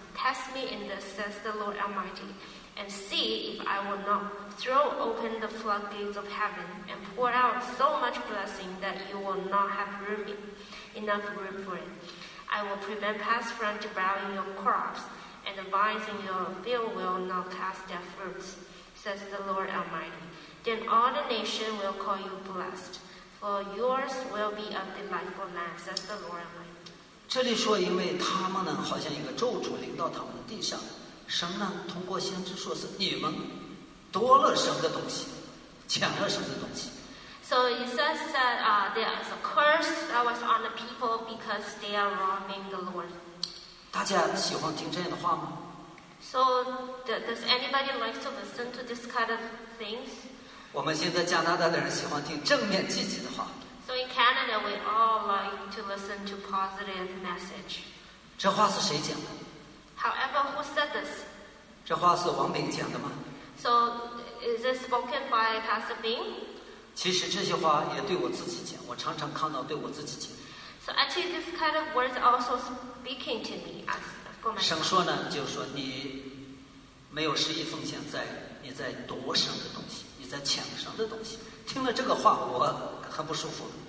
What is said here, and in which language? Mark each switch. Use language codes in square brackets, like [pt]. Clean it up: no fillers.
[en] Test me in this, says the Lord Almighty, and see if I will not throw open the floodgates of heaven and pour out so much blessing that you will not have enough room for it. I will prevent pests from devouring your crops, and the vines in your field will not cast their fruits, says the Lord Almighty. Then all the nation will call you blessed, for yours will be a delightful land, says the Lord Almighty. [zh] 这里说，因为他们呢，好像一个咒诅临到他们的地上，神呢通过先知说是你们夺了神的东西，抢了神的东西。 [en] So it says that there is a curse that was on the people because they are robbing the Lord. [zh] 大家喜欢听这样的话吗 [en] ？So does anybody like to listen to this kind of things? [zh] 我们现在加拿大的人喜欢听正面积极的话。 [en] So in Canada, we all like to listen to positive message. [zh] 这话是谁讲的 [en] ？However, who said this? [zh] 这话是王炳讲的吗 [en] ？So is it spoken by Pastor Bing? [zh] 其实这些话也对我自己讲，我常常看到对我自己讲。 [en] So actually, this kind of words also speaking to me as for myself. [zh] 神说呢，就是说你没有十一奉献在，你在夺神的东西，你在抢神的东西。听了这个话，我很不舒服。